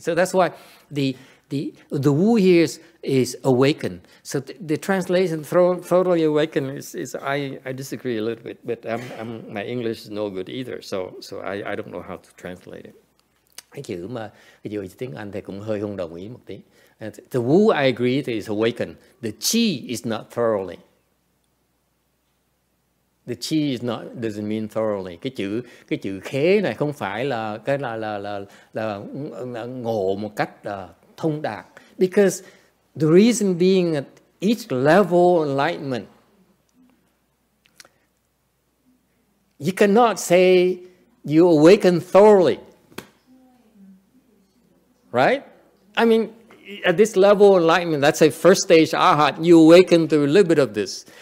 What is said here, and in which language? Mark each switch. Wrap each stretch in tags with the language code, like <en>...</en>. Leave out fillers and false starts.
<en>So that's why the Wu here is awakened. So the translation thoroughly awakened is I disagree a little bit, but I'm my English is no good either, so I don't know how to translate it.</en> <vi>Cái chữ mà ví dụ tiếng Anh thì cũng hơi không đồng ý một tí.</vi> <en>The Wu I agree that is awakened. The Qi is not thoroughly. The Qi is not doesn't mean thoroughly.</en> <vi>Cái chữ khế này không phải là cái là ngộ một cách thông đạt.</vi> <en>Because the reason being at each level of enlightenment, you cannot say you awaken thoroughly. Right? I mean, at this level of enlightenment, let's say first stage arhat, you awaken to a little bit of this.</en>